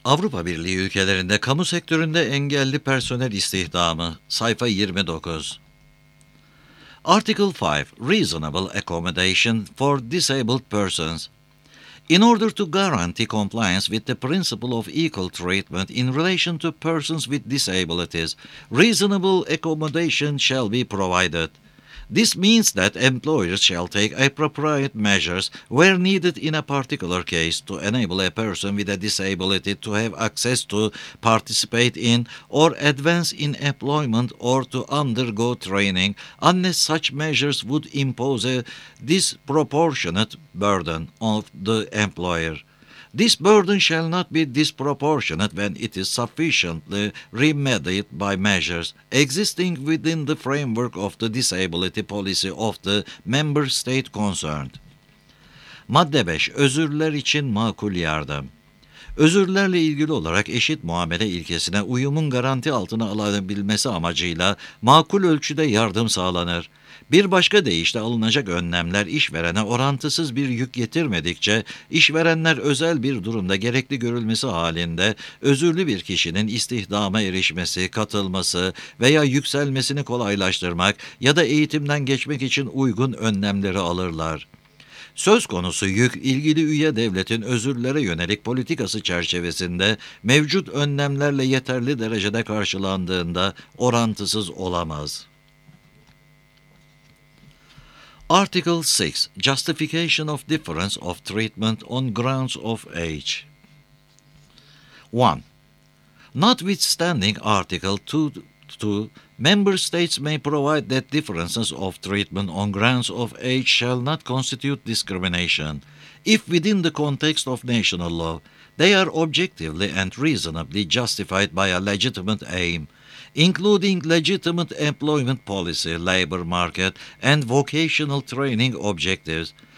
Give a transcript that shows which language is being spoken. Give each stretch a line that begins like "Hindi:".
Turkish: Avrupa Birliği ülkelerinde kamu sektöründe engelli personel istihdamı. Sayfa 29.
English: Article 5. Reasonable accommodation for disabled persons. In order to guarantee compliance with the principle of equal treatment in relation to persons with disabilities, reasonable accommodation shall be provided. This means that employers shall take appropriate measures where needed in a particular case to enable a person with a disability to have access to participate in or advance in employment or to undergo training unless such measures would impose a disproportionate burden on the employer. This burden shall not be disproportionate when it is sufficiently remedied by measures existing within the framework of the disability policy of the member state concerned.
Turkish: Madde 5. Özürler için makul yardım. Özürlerle ilgili olarak eşit muamele ilkesine uyumun garanti altına alınabilmesi amacıyla makul ölçüde yardım sağlanır. Bir başka deyişle alınacak önlemler işverene orantısız bir yük getirmedikçe işverenler özel bir durumda gerekli görülmesi halinde özürlü bir kişinin istihdama erişmesi, katılması veya yükselmesini kolaylaştırmak ya da eğitimden geçmek için uygun önlemleri alırlar. Söz konusu yük, ilgili üye devletin özürlere yönelik politikası çerçevesinde mevcut önlemlerle yeterli derecede karşılandığında orantısız olamaz.
English: Article 6. Justification of difference of treatment on grounds of age. 1. Notwithstanding Article 2, member states may provide that differences of treatment on grounds of age shall not constitute discrimination, if within the context of national law, they are objectively and reasonably justified by a legitimate aim, including legitimate employment policy, labor market, and vocational training objectives.